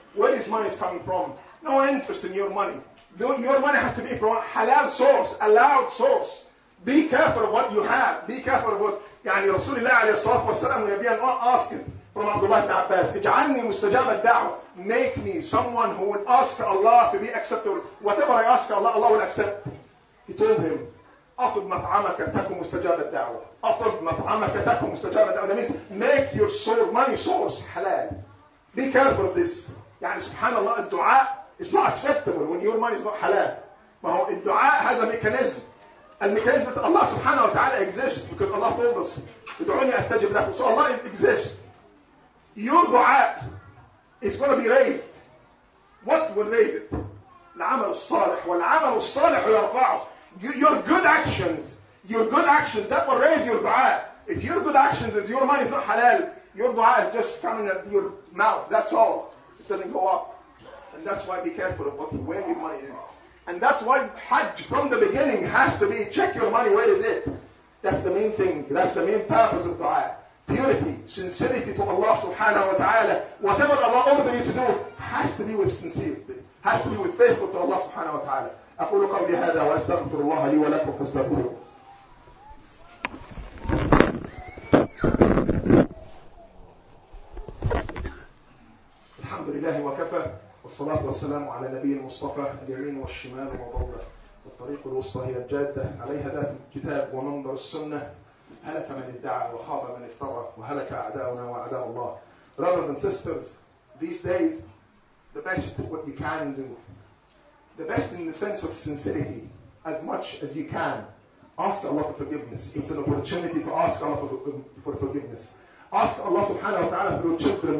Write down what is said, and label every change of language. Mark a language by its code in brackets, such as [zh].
[en] Where is money coming from? No interest in your money. Your money has to be from a halal source, allowed source. Be careful of what you have. Be careful of what يعني Rasulullah alayhi salatu wasalam will be asking from Abdullah ibn Abbas. [ar] اجعلني مستجاب الدعوة. [en] Make me someone who would ask Allah to be accepted. Whatever I ask Allah, Allah will accept. He told him, [ar] أطب مطعمك تكون مستجاب الدعوة. أطب مطعمك تكون مستجاب الدعوة. [en] That means make your soul, money source halal. Be careful of this. [ar] يعني subhanAllah, الدعاء. [en] It's not acceptable when your money is not halal. But the dua has a mechanism. And mechanism that Allah subhanahu wa ta'ala exists because Allah told us, [ar] "Ud'uni astajib lakum." [en] So Allah exists. Your dua is going to be raised. What will raise it? [ar] العمل الصالح والعمل الصالح يرفعه. [en] Your good actions. Your good actions, that will raise your dua. If your good actions is your money is not halal, your dua is just coming at your mouth. That's all. It doesn't go up. And that's why be careful of what where your money is. And that's why Hajj from the beginning has to be check your money, where is it? That's the main thing. That's the main purpose of dua. purity, sincerity to Allah subhanahu wa ta'ala, whatever Allah ordered you to do, has to be with sincerity, has to be with faithful to Allah subhanahu wa ta'ala. [ar] أقول قولي هذا وأستغفر الله لي ولكم فاستغفروه. الحمد لله وكفى والصلاة والسلام على نبي المصطفى اليمين والشمال وضربة الطريق الوسطى هي الجادة عليها ذات الكتاب ومنبر السنة. هلك من ادعى وخاب من افترى وهلك أعداؤنا وأعداء الله. [en] Brothers and sisters, these days, the best what you can do, the best in the sense of sincerity, as much as you can, ask Allah for forgiveness. It's an opportunity to ask Allah for forgiveness. Ask Allah subhanahu wa ta'ala for your children.